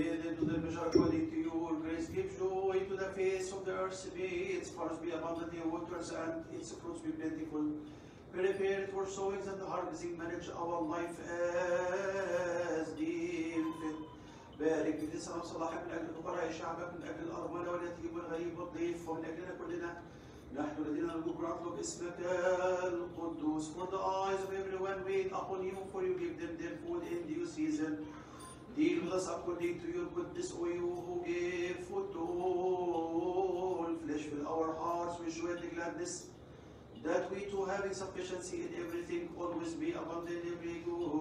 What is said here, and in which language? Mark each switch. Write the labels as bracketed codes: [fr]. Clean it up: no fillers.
[en] To the measure according to your grace, give joy to the face of the earth, may its forests be abundant in waters and its fruits be plentiful. Prepare for sowing and harvesting, manage our life as deem fit. [ar] بارك في سلام صلاح من أجل فقراء شعبك من أجل الأرمل واليتيم والغريب والضيف ومن أجلنا كلنا نحن الذين نرجو برعتك اسمك القدوس. [en] For the eyes of everyone wait upon you, for you give them their food in due season. Deal with us according to your goodness, O you who give food to all flesh. Fill our hearts with joy and gladness, that we too have insufficiency in everything, always be abundant in every good